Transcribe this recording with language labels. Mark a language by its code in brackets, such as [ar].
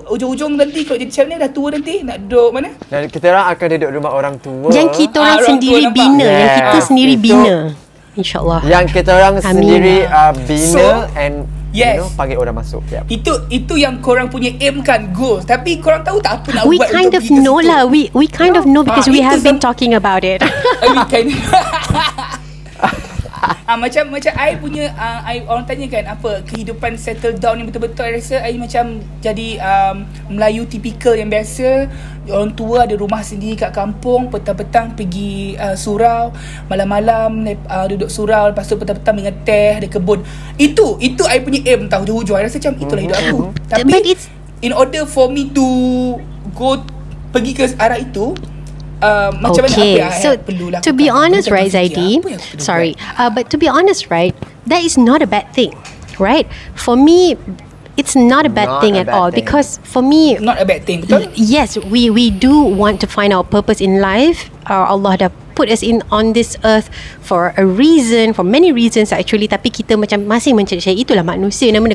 [ms] Ujung-ujung nanti kau jadi channel dah tua nanti nak duduk mana? Dan kita orang akan duduk rumah orang tua. Yang kita orang sendiri tua, bina. Yeah. Yang kita sendiri itu, bina. InsyaAllah. Yang kita orang sendiri bina so, and yes. [en] You know, [ms] panggil orang masuk. Yep. Itu yang korang punya aim kan, goal. Tapi korang tahu tak apa nak [en] we [ms] buat? [en] We kind of know lah. We kind of know because we have been talking about it. We kind of [ms] macam I punya I orang tanya kan apa kehidupan settle down ni betul-betul, I rasa I macam jadi Melayu tipikal yang biasa. Orang tua ada rumah sendiri kat kampung, petang-petang pergi surau, malam-malam duduk surau, lepas tu petang-petang dengan teh ada kebun. Itu I punya aim tahu hujung-hujung. I rasa macam itulah hidup aku. Tapi [en] in order for me to go [ms] pergi ke arah itu, [en] okay, so to be honest, right, Zaidi, sorry, but to be honest, right, that is not a bad thing, right? For me, it's not a bad thing at all, because for me, not a bad thing. Yes, we do want to find our purpose in life. Allah dah put us in on this earth for a reason, for many reasons actually. [ms] Tapi kita macam masih mencari-cari, itulah manusia namanya.